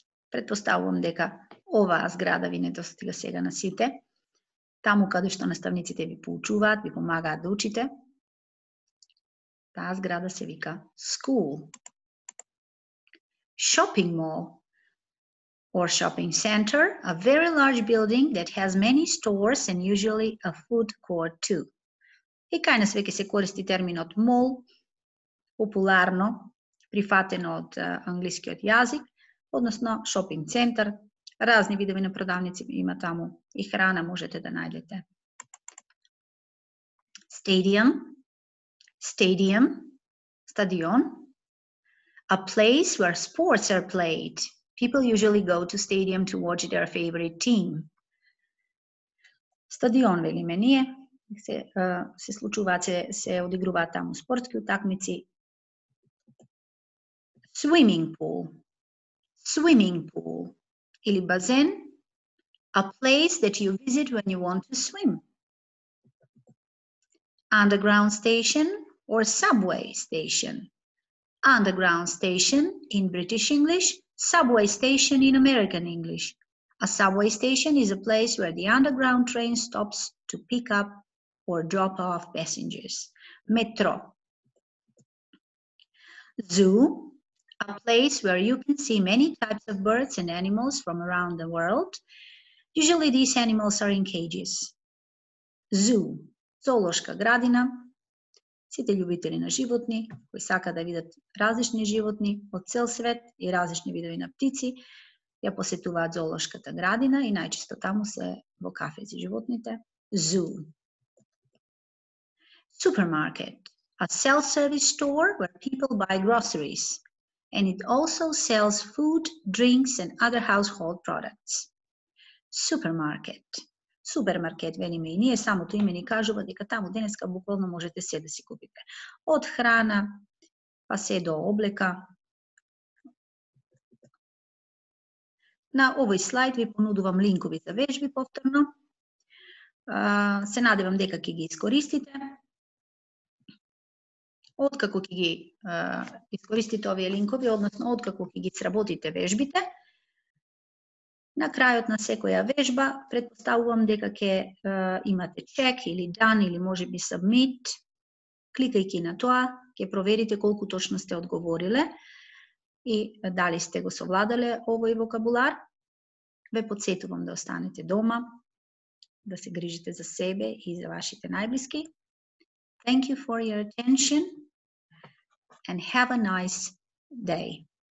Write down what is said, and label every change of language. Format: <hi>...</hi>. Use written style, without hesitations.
<mk>Предпоставувам дека оваа зграда ви не достига сега на сите. Таму каде што наставниците ви поучуваат, ви помагаат да учите, таа зграда се вика school.</mk> <en>Shopping mall or shopping center, a very large building that has many stores and usually a food court too.</en> <mk>И кај нас веќе се користи терминот мол, популарно, прифатено од англискиот јазик, односно шопинг центар, разни видови на продавници има таму и храна можете да најдете.</mk> <en>Stadium, стадион, a place where sports are played. People usually go to stadium to watch their favorite team.</en> <mk>Стадион, вели ме ние, се случува, се одигруваат таму спортски утакмици.</mk> <en>Swimming pool,</en> <mk>или базен,</mk> <en>a place that you visit when you want to swim. Underground station or subway station. Underground station in British English, subway station in American English. A subway station is a place where the underground train stops to pick up or drop off passengers. Metro. Zoo. A place where you can see many types of birds and animals from around the world. Usually these animals are in cages. Zoo,</en> <mk>зоолошка градина. Сите љубители на животни, кои сака да видат различни животни од цел свет и различни видови на птици, ја посетуваат зоолошката градина и најчесто таму се во кафе за животните.</mk> <en>Zoo. Supermarket, a self-service store where people buy groceries. And it also sells food, drinks, and other household products. Supermarket.</en> <mk>Supermarket, велиме, и ние само тој име ни кажува дека таму денеска буквално можете се да си купите. Од храна, па се до облека. На овој слайд ви понудувам линкови за вежби повторно. Се надевам дека ќе ги искористите. Откако ќе ги искористите овие линкови, односно откако ќе ги сработите вежбите, на крајот на секоја вежба, предпоставувам дека ќе имате чек или дан или може би submit. Кликајќи на тоа, ќе проверите колку точно сте одговориле и дали сте го совладале овој вокабулар. Ве подсетувам да останете дома, да се грижите за себе и за вашите најблиски.</mk> <en>Thank you for your attention and have a nice day.</en>